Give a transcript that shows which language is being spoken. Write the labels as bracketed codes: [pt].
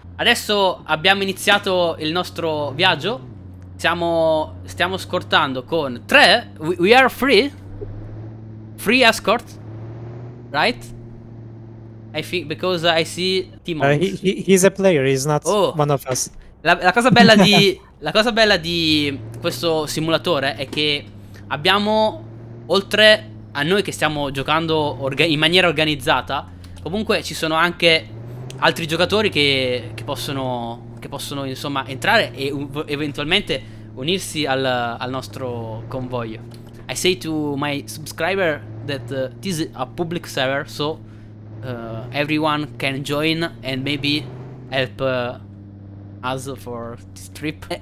[it] Adesso abbiamo iniziato il nostro viaggio. Stiamo scortando con tre. [en] We are free. Free escort. Right? I think because I see Timon. He's a player, he's not one of us. [it] La cosa bella di la cosa bella di questo simulatore è che abbiamo, oltre a noi che stiamo giocando in maniera organizzata, comunque ci sono anche altri giocatori che possono insomma entrare e eventualmente unirsi al nostro convoglio. [en] I say to my subscriber that this is a public server, so everyone can join and maybe help us for this trip.